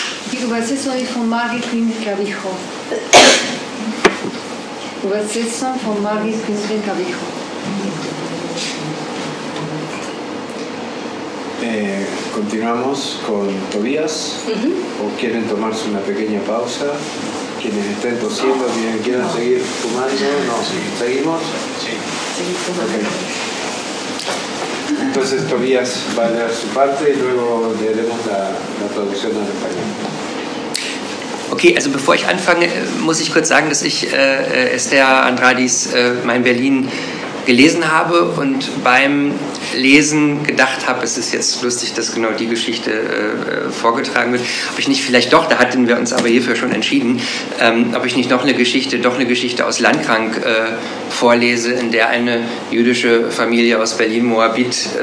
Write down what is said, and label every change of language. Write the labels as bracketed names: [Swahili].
[German] Ich übersetze euch von Margit Klinger-Cabijo. Übersetzung von Margit Klinger-Cabijo. [Spanish] Continuamos con Tobías. Uh-huh. ¿O quieren tomarse una pequeña pausa? Quienes estén tosiendo, quieren no. Seguir fumando. No, sí. ¿Seguimos? Sí. Okay. Entonces Tobías va a leer su parte y luego le haremos la traducción al español. [German] Okay, also bevor ich anfange, muss ich kurz sagen, dass ich Esther Andradis mein Berlin gelesen habe und beim Lesen gedacht habe, es ist jetzt lustig, dass genau die Geschichte vorgetragen wird, ob ich nicht vielleicht doch, da hatten wir uns aber hierfür schon entschieden, ob ich nicht doch eine Geschichte aus Landkrank vorlese, in der eine jüdische Familie aus Berlin-Moabit